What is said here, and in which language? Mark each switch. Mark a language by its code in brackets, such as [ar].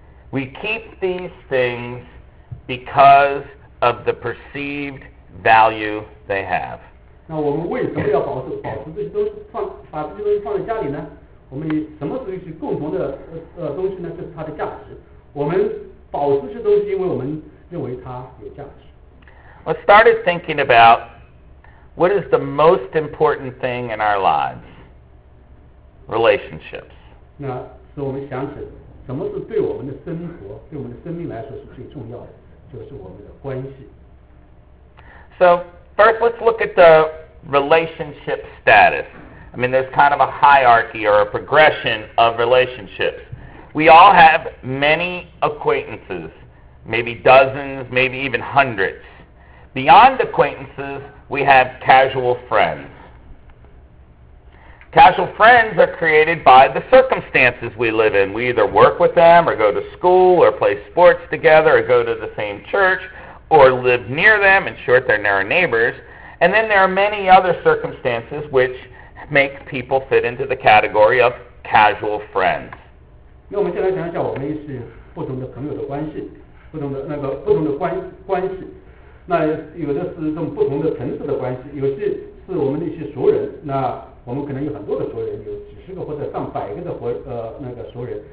[en] We keep these things because of the perceived value they have. [zh] 那我们为什么要保持这些东西把这些东西放在家里呢？我们以什么东西共同的东西呢？就是它的价值。我们保持这东西，因为我们认为它有价值。 [en] I started thinking about what is the most important thing in our lives. Relationships. [zh] 那所以我们想起什么是对我们的生活对我们的生命来说是最重要的，就是我们的关系。 [en] So first let's look at the relationship status. I mean there's kind of a hierarchy or a progression of relationships. We all have many acquaintances, maybe dozens, maybe even hundreds. Beyond acquaintances we have casual friendsCasual friends are created by the circumstances we live in. We either work with them, or go to school, or play sports together, or go to the same church, or live near them. In short, they're near our neighbors. And then there are many other circumstances which make people fit into the category of casual friends. [zh] 那我们现在讲一下我们是不同的朋友的关系，不同的关系。那有的是这种不同的层次的关系，有些是我们的一些熟人，那我们可能有很多的熟人，有几十个或者上百个的活那个熟人。